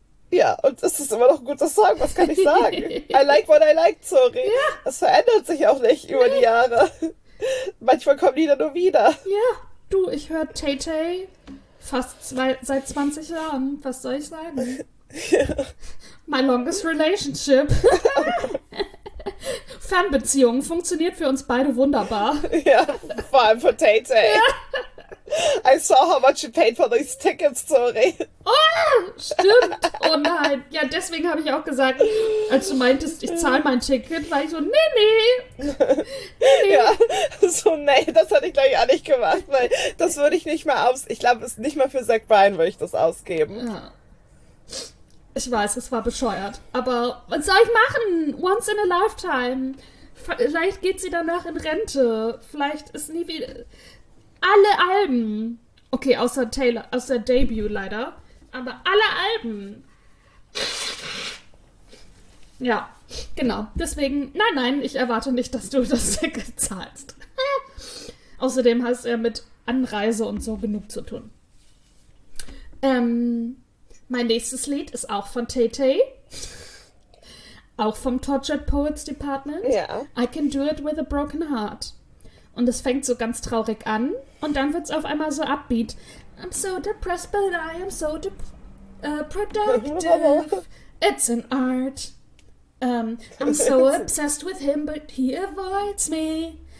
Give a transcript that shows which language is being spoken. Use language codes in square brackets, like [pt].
[de] Ja, und es ist immer noch ein guter Song, was kann ich sagen? [en] I like what I like, sorry. [de] Es verändert sich auch nicht über die Jahre. Manchmal kommen die dann nur wieder. Ich höre Tay Tay seit 20 Jahren. Was soll ich sagen? [en] My longest relationship. [de] Fernbeziehung funktioniert für uns beide wunderbar. Ja, vor allem für Tay-Tay. [en] I saw how much you paid for these tickets, sorry. [de] Stimmt. Oh nein. Ja, deswegen habe ich auch gesagt, als du meintest, ich zahle mein Ticket, war ich so, nee, nee. So, nee, das hatte ich gleich auch nicht gemacht, weil das würde ich nicht mal aus. Ich glaube, es nicht mal für Zach Bryan würde ich das ausgeben. Ja. Ich weiß, es war bescheuert. Aber was soll ich machen? [en] Once in a lifetime. [de] Vielleicht geht sie danach in Rente. Vielleicht ist nie wieder. Alle Alben. Okay, außer Taylor, außer Debut leider. Aber alle Alben. Ja, genau. Deswegen, nein, nein, ich erwarte nicht, dass du das Ticket zahlst. Außerdem hast du ja mit Anreise und so genug zu tun. Mein nächstes Lied ist auch von Tay Tay. Auch vom Tortured Poets Department. Ja. [en] I can do it with a broken heart. [de] Und es fängt so ganz traurig an und dann wird es auf einmal so upbeat. [en] I'm so depressed, but I am so productive. It's an art. I'm so obsessed with him, but he avoids me.